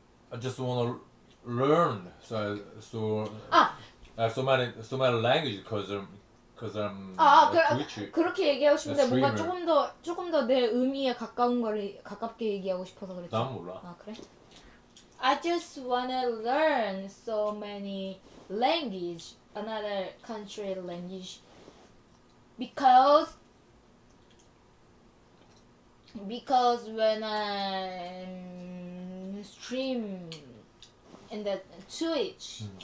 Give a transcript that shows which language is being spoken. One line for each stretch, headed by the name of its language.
English: I just wanna learn so many language because I'm
Korean: 그렇게 얘기하고 싶은데 뭔가 조금 더 내 의미에 가까운 거를 가깝게 얘기하고 싶어서 그랬지. 난 몰라. 아 그래?
English: I just wanna learn so many language, another country language, because when I stream in the Twitch.